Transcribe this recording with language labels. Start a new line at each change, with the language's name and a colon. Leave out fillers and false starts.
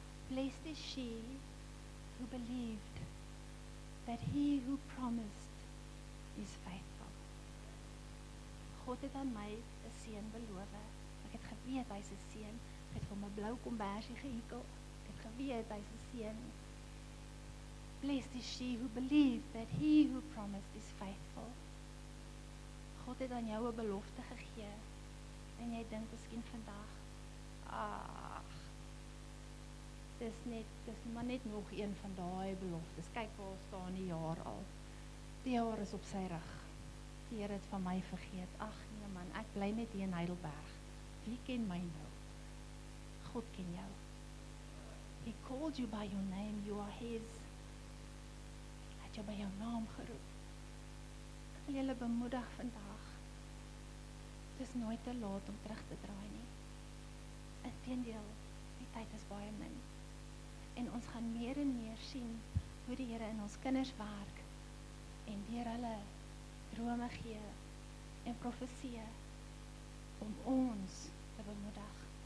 English: Blessed is she who believed that he who promised is faithful.
Afrikaans: God het aan my 'n seun beloof. Ek het geweet hy's 'n seun. Ek het hom 'n blou kombersie gehekel. Ek het geweet hy's 'n seun.
English: Blessed is she who believed that he who promised is faithful.
Afrikaans: God het aan jou 'n belofte gegee en jy dink miskien vandag, ach, dis maar net nog een van daai beloftes. Kyk waar staan die jaar al. Die jaar is op sy rug. Die Here het van my vergeet. Ag nee man, ek bly net hier in Heidelberg. Wie ken my nou? God ken jou.
English: He called you by your name, you are his.
Afrikaans: Jy by jou naam geroep. Ek wil julle bemoedig vandag. Het is nooit te laat om terug te draai nie. Inteendeel, die tyd is baie min. En ons gaan meer en meer sien hoe die Here in ons kinders werk en weer hulle drome gee en profeseer om ons te bemoedig.